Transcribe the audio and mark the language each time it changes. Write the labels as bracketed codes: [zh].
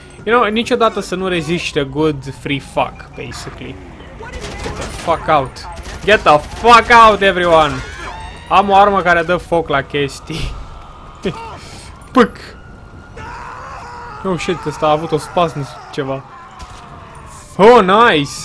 [en] You know, [ro] niciodată să nu reziști [en] a good free fuck, basically. Get the fuck out. Get the fuck out, everyone! [ro] Am o armă care dă foc la chestii. Puc! [en] Oh, shit, [ro] ăsta a avut o spasmă ceva. [en] Oh, nice!